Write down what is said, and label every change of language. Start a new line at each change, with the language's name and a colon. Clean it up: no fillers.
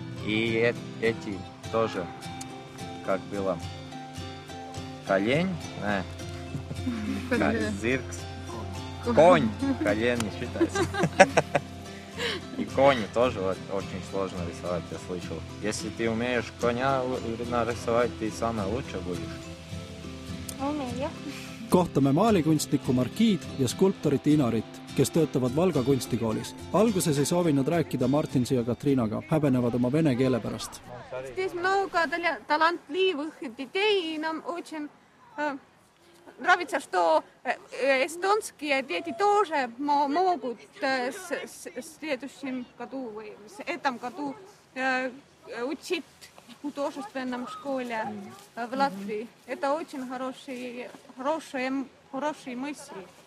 Russian: И эти тоже, как было... Колень? Не. Зиркс. Конь. Колень не считается. И конь тоже очень сложно рисовать, я слышал. Если ты умеешь коня нарисовать, ты самое лучшее будешь. Умею.
Estonian: Kohtame maalikunstniku Markiid ja skulptorit Inarit, kes töötavad Valga kunstikoolis. Alguses ei soovi nad rääkida Martinsi ja Katriinaga, häbenevad oma vene keele pärast. Siis mnoga talantli võhti teinam, otsin...
Russian: Нравится, что эстонские дети тоже могут в следующем году, в этом году учить в художественном школе в Латвии. Это очень хорошие мысли.